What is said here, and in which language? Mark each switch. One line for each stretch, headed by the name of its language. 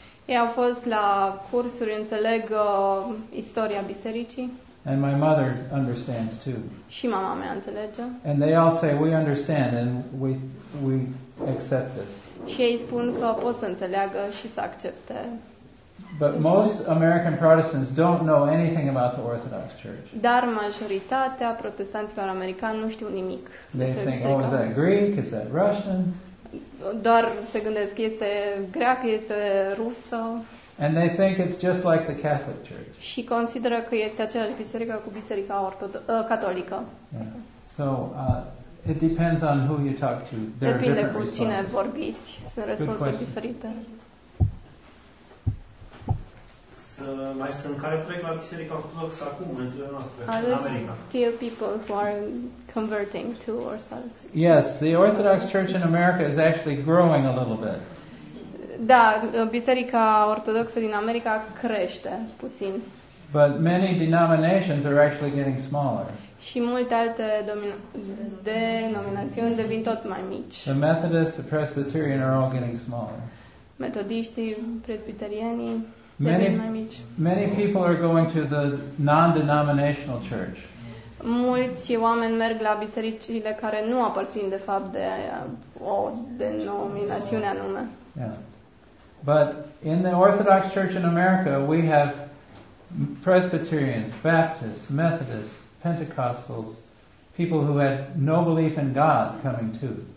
Romanian: Ei au fost la cursuri, înțeleg istoria bisericii.
English: And my mother understands too.
Romanian: Și mama mea înțelege.
English: And they all say we understand and we accept this.
Romanian: Și ei spun că pot să înțeleagă și să accepte.
English: But most American Protestants don't know anything about the Orthodox Church.
Romanian: Dar majoritatea protestanților americani nu știu nimic.
English: They think, oh, is that Greek? Is that Russian?
Romanian: Doar se gândesc, este greacă, este rusă.
English: And they think it's just like the Catholic Church.
Romanian: Și consideră că este aceeași biserică cu biserica catolică.
English: Yeah. So, it depends on who you talk to. There
Romanian: depinde
English: are different
Romanian: cu cine
English: responses.
Romanian: Vorbiți. Sunt răspunsuri diferite. Mai sunt care trec la biserica ortodoxă acum, în zilele noastre, în America.
English: Still people who are converting to Orthodox. Yes, the Orthodox Church in America is actually growing a little bit.
Romanian: Da, biserica ortodoxă din America crește puțin.
English: But many denominations are actually getting smaller.
Romanian: Și multe alte denominațiuni devin tot mai mici.
English: The Methodists, the Presbyterian are all getting smaller.
Romanian: Metodiștii, presbiterienii
English: Many people are going to the non-denominational church.
Romanian: Mulți oameni merg la bisericile care nu aparțin de fapt de o denominațiune anume.
English: Yeah. But in the Orthodox Church in America, we have Presbyterians, Baptists, Methodists, Pentecostals, people who had no belief in God coming too.